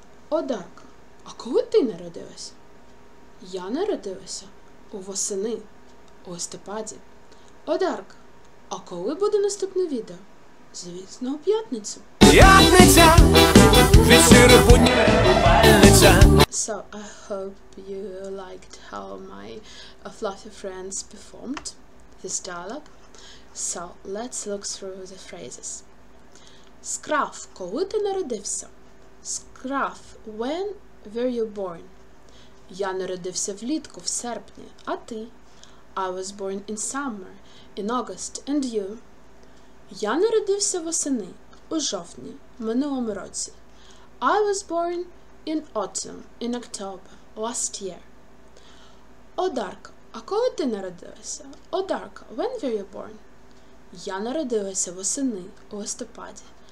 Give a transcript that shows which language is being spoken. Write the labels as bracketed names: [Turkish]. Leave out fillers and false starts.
[Ukrainian] Одарка, а коли ти народилася? Я народилася у восени, у листопаді. Одарка, а коли буде наступне відео? Звісно, у п'ятницю. П'ятниця, вечір будні, пальниця. [English] So, I hope you liked how my fluffy friends performed this dialogue. So, let's look through the phrases. [Ukrainian] Скраф, коли ти народився? [English] Скраф, when were you born? [Ukrainian] Я народився влітку, в серпні, а ти? [English] I was born in summer, in August, and you? [Ukrainian] Я народився восени, у жовтні, минулому році. [English] I was born in autumn, in October, last year. [Ukrainian] Одарка, а коли ти народилася? [English] Одарка, when were you born? [Ukrainian] Я народилася восени, у листопаді.